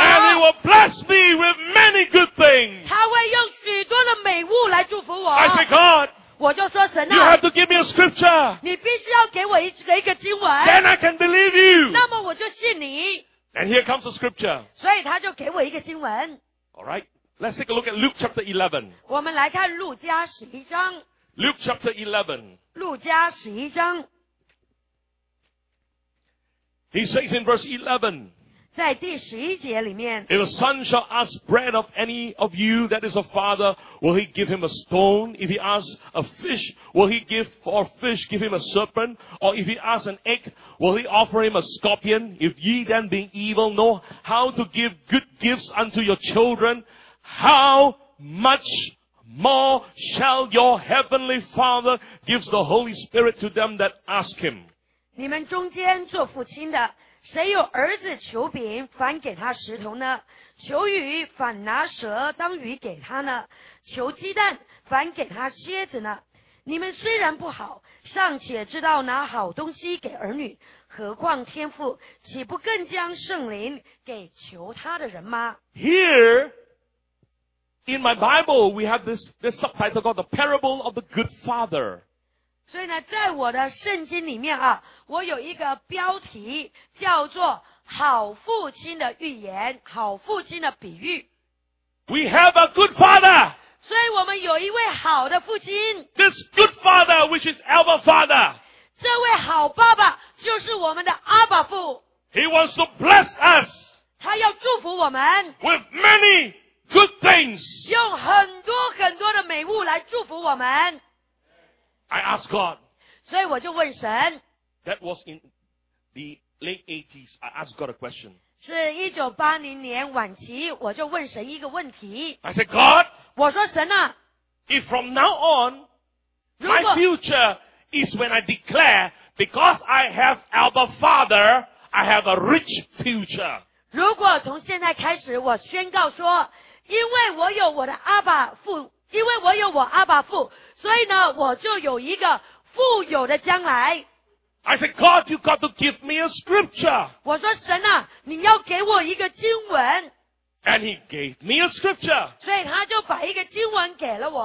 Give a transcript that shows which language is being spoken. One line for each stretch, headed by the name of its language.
English: And he will bless me with many good things.
Chinese: 他会用许多的美物来祝福我。
English: I say, God.
Chinese: 我就说神啊。
English: You have to give me a scripture.
Chinese: 你必须要给我一个经文。
English: Then I can believe you.
Chinese: 那么我就信你。
English: And here comes the scripture.
Chinese: 所以他就给我一个经文。
English: All right. Let's take a look at Luke chapter 11.
Chinese: 我们来看路加十一章。
English: Luke chapter 11.
Chinese: 路加十一章。
English: He says in verse 11.
Chinese: 在第十一节里面。
English: If a son shall ask bread of any of you that is a father, will he give him a stone? If he ask a fish, will he give for a fish, give him a serpent? Or if he ask an egg, will he offer him a scorpion? If ye then being evil know how to give good gifts unto your children, how much? More shall your heavenly Father give the Holy Spirit to them that ask him.
Chinese: 你们中间做父亲的，谁有儿子求饼，反给他石头呢？求鱼，反拿蛇当鱼给他呢？求鸡蛋，反给他蝎子呢？你们虽然不好，尚且知道拿好东西给儿女，何况天父，岂不更将圣灵给求他的人吗？
English: Here. In my Bible, we have this subtitle called the Parable of the Good Father.
Chinese: 所以呢，在我的圣经里面啊，我有一个标题叫做“好父亲的预言”，好父亲的比喻。
English: We have a good father.
Chinese: 所以我们有一位好的父亲。
English: This good father, which is Abba Father.
Chinese: 这位好爸爸就是我们的阿爸父。
English: He wants to bless us.
Chinese: 他要祝福我们。
English: With many. Good things.
Chinese: 用很多很多的美物来祝福我们。
English: I ask God.
Chinese: 所以我就问神。
English: That was in the late 80s. I asked God a question.
Chinese: 是1980年晚期，我就问神一个问题。
English: I said, God.
Chinese: 我说神啊。
English: If from now on, my future is when I declare, because I have Abba Father, I have a rich future.
Chinese: 如果从现在开始，我宣告说。因为我有我的阿爸父，因为我有我阿爸父，所以呢，我就有一个富有的将来。
English: I said, God, you got to give me a scripture.
Chinese: 我说神啊，你要给我一个经文。
English: And he gave me a scripture.
Chinese: 所以他就把一个经文给了我。